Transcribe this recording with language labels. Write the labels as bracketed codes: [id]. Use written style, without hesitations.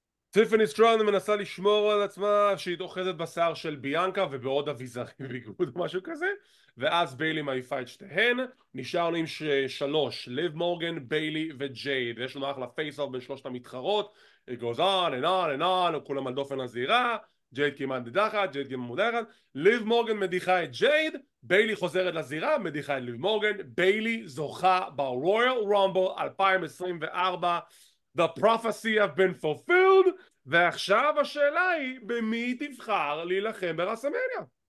[he] טיפני סטרון מנסה לשמור על עצמה שהיא אוחזת בשיער של ביאנקה ובעוד אביזרים בגבוד או משהו כזה, ואז ביילי מעיפה את שתיהן. נשארנו עם שלוש, ליב מורגן, ביילי וג'ייד, ויש לנו אחלה פייס-אוף בין שלושת המתחרות. [en] It goes on and on and on, [he] וכולם על דופן הזירה. ג'ייד כמעט מדחת, ג'ייד כמעט מודחת, ליב מורגן מדיחה את ג'ייד, ביילי חוזרת לזירה, מדיחה את ליב מורגן, ביילי זוכה ב-Royal Rumble 2024. [en] The prophecy have been fulfilled, [he] ועכשיו השאלה היא, במי תבחר להילחם ברסמניה?